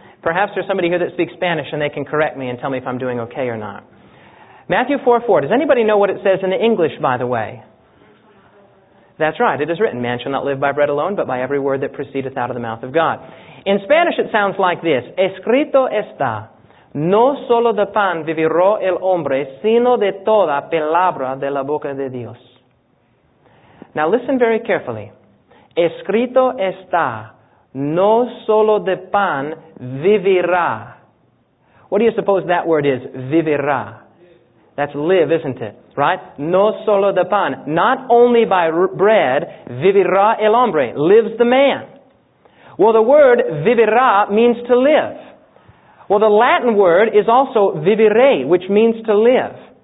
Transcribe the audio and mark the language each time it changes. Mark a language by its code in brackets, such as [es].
[en] Perhaps there's somebody here that speaks Spanish and they can correct me and tell me if I'm doing okay or not. Matthew 4:4. Does anybody know what it says in the English, by the way? That's right. It is written, man shall not live by bread alone, but by every word that proceedeth out of the mouth of God. In Spanish, it sounds like this. [es] Escrito está, no solo de pan vivirá el hombre, sino de toda palabra de la boca de Dios. [en] Now listen very carefully. [es] Escrito está, no solo de pan vivirá. [en] What do you suppose that word is, vivirá? That's live, isn't it? Right? [es] No solo de pan. [en] Not only by bread, [es] vivirá el hombre, [en] lives the man. Well, the word vivirá means to live. Well, the Latin word is also vivire, which means to live.